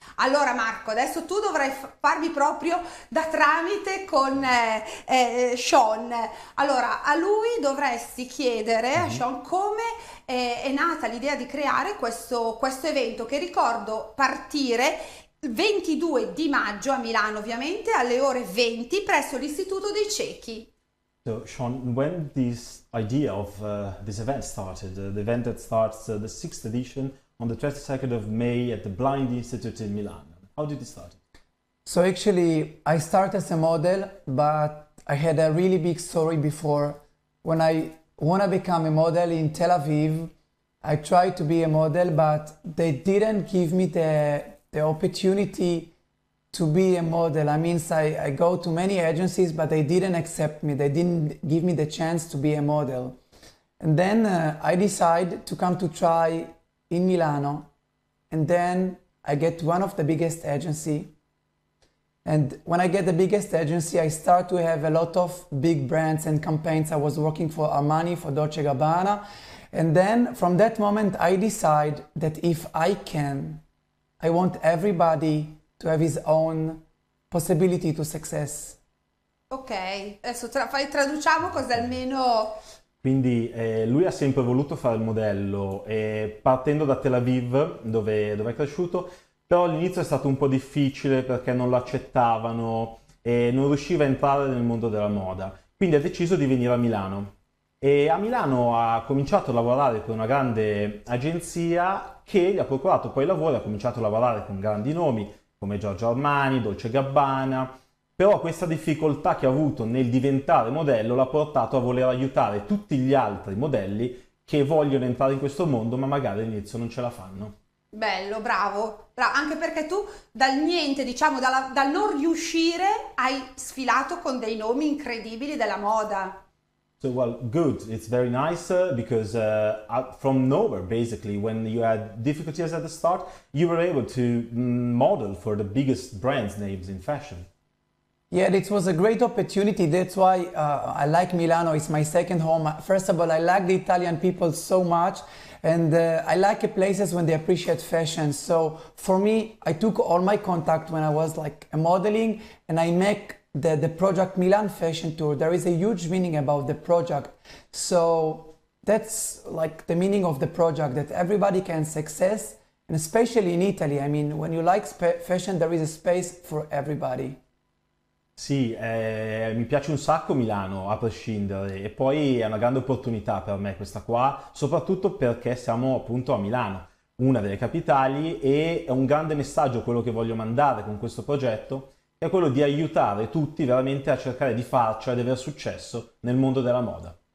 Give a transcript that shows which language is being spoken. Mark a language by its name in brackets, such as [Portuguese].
[Italian] Allora Marco, adesso tu dovrai farmi proprio da tramite con Sean. Allora, a lui dovresti chiedere, a Sean, come è nata l'idea di creare questo evento che ricordo partire il 22 di maggio a Milano, ovviamente alle ore 20 presso l'Istituto dei Ciechi. [English] So, Sean, when this idea of this event started, the event that starts the sixth edition on the 22nd of May at the Blind Institute in Milan, how did it start? So actually, I started as a model, but I had a really big story before. When I wanna become a model in Tel Aviv, I tried to be a model, but they didn't give me the opportunity to be a model. I mean, I go to many agencies, but they didn't accept me. They didn't give me the chance to be a model. And then I decide to come to try in Milano, and then I get one of the biggest agency. And when I get the biggest agency, I start to have a lot of big brands and campaigns. I was working for Armani, for Dolce & Gabbana. And then from that moment, I decide that if I can, I want everybody to have his own possibility to success. [Italian] Ok, adesso traduciamo cos'è almeno. Quindi lui ha sempre voluto fare il modello, partendo da Tel Aviv, dove è cresciuto. Però all'inizio è stato un po' difficile perché non lo accettavano e non riusciva a entrare nel mondo della moda. Quindi ha deciso di venire a Milano. E a Milano ha cominciato a lavorare con una grande agenzia che gli ha procurato poi lavoro, ha cominciato a lavorare con grandi nomi come Giorgio Armani, Dolce & Gabbana. Però questa difficoltà che ha avuto nel diventare modello l'ha portato a voler aiutare tutti gli altri modelli che vogliono entrare in questo mondo, ma magari all'inizio non ce la fanno. Bello, bravo, bravo, anche perché tu dal niente, diciamo, dal non riuscire, hai sfilato con dei nomi incredibili della moda. [English] So, well, good. It's very nice because from nowhere, basically, when you had difficulties at the start, you were able to model for the biggest brands names in fashion. Yeah, it was a great opportunity. That's why I like Milano. It's my second home. First of all, I like the Italian people so much, and I like places when they appreciate fashion. So for me, I took all my contact when I was like a modeling, and I make the project Milan Fashion Tour. There is a huge meaning about the project. So that's like the meaning of the project, that everybody can success, and especially in Italy. I mean, when you like fashion, there is a space for everybody. [Italian] Sì, mi piace un sacco Milano, a prescindere, e poi è una grande opportunità per me questa qua, soprattutto perché siamo appunto a Milano, una delle capitali, e è un grande messaggio quello che voglio mandare con questo progetto, che è quello di aiutare tutti veramente a cercare di farcela, di aver successo nel mondo della moda.